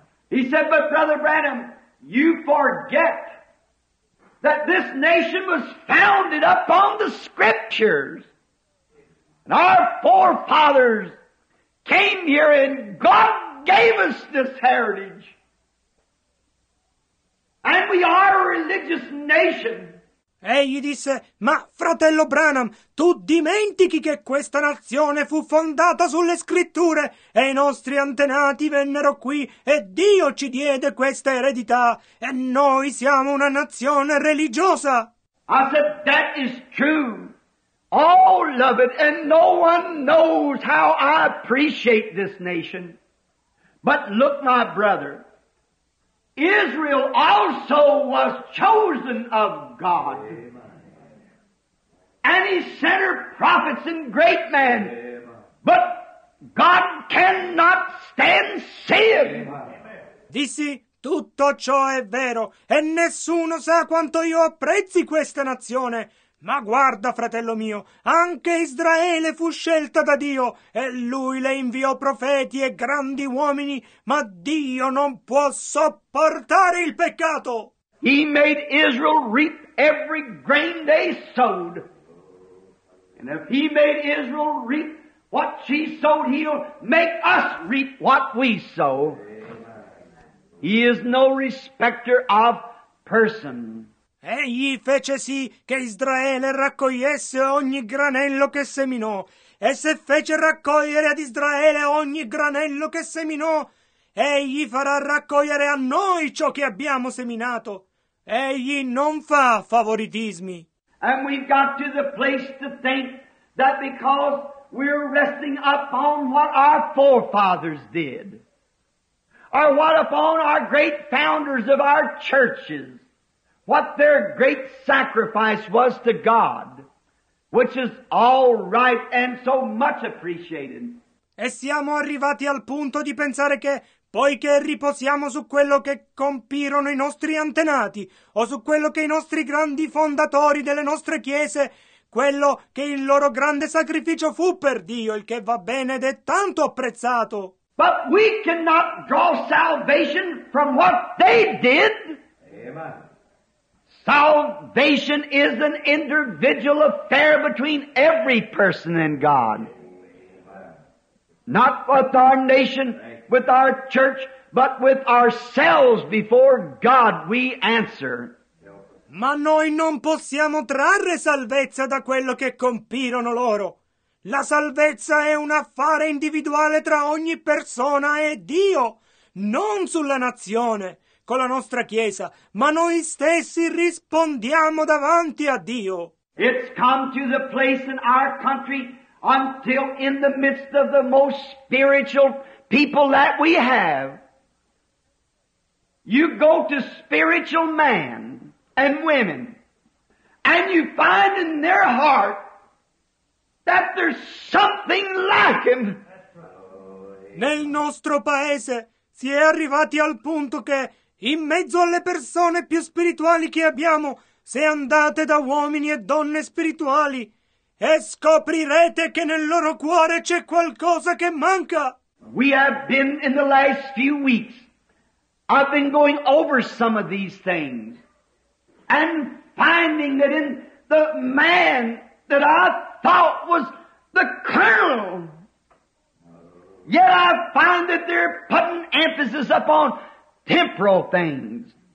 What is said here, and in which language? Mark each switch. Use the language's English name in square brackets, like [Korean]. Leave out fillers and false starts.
[English] He said, but Brother Branham, you forget that this nation was founded upon the scriptures. And our forefathers came here and God gave us this heritage. And we are a religious nation. [Italian] Egli disse, ma fratello Branham, tu dimentichi che questa nazione fu fondata sulle scritture e i nostri antenati vennero qui e Dio ci diede questa eredità e noi siamo una nazione religiosa. [English] I said, that is true. Oh, love it, and no one knows how I appreciate this nation. But look, my brother, Israel also was chosen of God. And he sent her prophets and great men. But God cannot stand sin. [Italian] Dissi, tutto ciò è vero, e nessuno sa quanto io apprezzi questa nazione. Ma guarda, fratello mio, anche Israele fu scelta da Dio, e lui le inviò profeti e grandi uomini, ma Dio non può sopportare il peccato. [English] He made Israel reap every grain they sowed. And if he made Israel reap what she sowed, he'll make us reap what we sow. He is no respecter of person. [Italian] Egli fece sì che Israele raccogliesse ogni granello che seminò, e se fece raccogliere ad Israele ogni granello che seminò, egli farà raccogliere a noi ciò che abbiamo seminato. Egli non fa favoritismi. [English] And we've got to the place to think that because we're resting upon what our forefathers did, or what upon our great founders of our churches, what their great sacrifice was to God, which is all right and so much appreciated. [Italian] E siamo arrivati al punto di pensare che, poiché riposiamo su quello che compirono i nostri antenati, o su quello che i nostri grandi fondatori delle nostre chiese, quello che il loro grande sacrificio fu per Dio, il che va bene ed è tanto apprezzato. [English] But we cannot draw salvation from what they did. Amen. Salvation is an individual affair between every person and God. Not with our nation, with our church, but with ourselves before God we answer. [Italian] Ma noi non possiamo trarre salvezza da quello che compirono loro. La salvezza è un affare individuale tra ogni persona e Dio, non sulla nazione. Con la nostra Chiesa, ma noi stessi rispondiamo davanti a Dio. [English] It's come to the place in our country until in the midst of the most spiritual people that we have. You go to spiritual men and women and you find in their heart that there's something lacking. [Italian] Nel nostro paese si è arrivati al punto che in mezzo alle persone più spirituali che abbiamo, se andate da uomini e donne spirituali, e scoprirete che nel loro cuore c'è qualcosa che manca. [English] We have been in the last few weeks, I've been going over some of these things, and finding that in the man that I thought was the colonel, yet I find that they're putting emphasis upon temporal things.